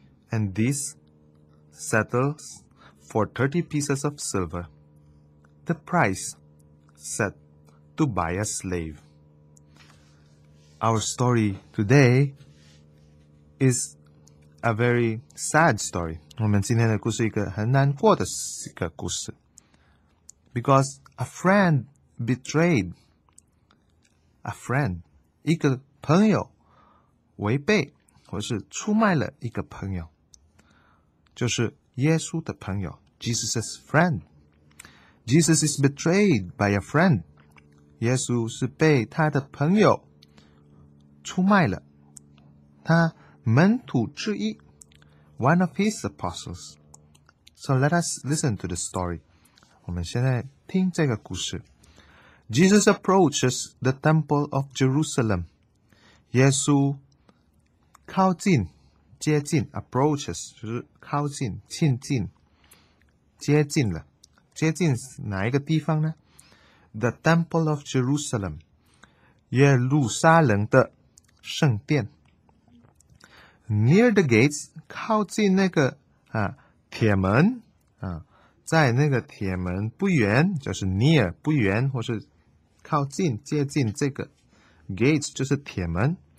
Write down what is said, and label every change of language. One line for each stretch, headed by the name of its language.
English: And this settles for 30 pieces of silver, the price set to buy a slave. Our story today is a very sad story.
Chinese: 我们今天的故事一个很难过的一个故事
English: Because a friend betrayed a friend.
Chinese: 一个朋友违背或是出卖了一个朋友就是耶稣的朋友
English: Jesus' friend. Jesus is betrayed by a friend.
Chinese: 耶稣是被他的朋友出卖了他门徒之一
English: one of his apostles. So let us listen to the story.
Chinese: 我们现在听这个故事。
English: Jesus approaches the temple of Jerusalem.
Chinese: 耶稣靠近接近 approaches, 就是靠近亲近接近了。接近哪一个地方呢 ?
English: The temple of Jerusalem.
Chinese: 耶路撒冷的圣殿
English: near the gates
Chinese: 靠近那个、啊、铁门、啊、在那个铁门不远就是 near 不远或是靠近接近这个 gates 就是铁门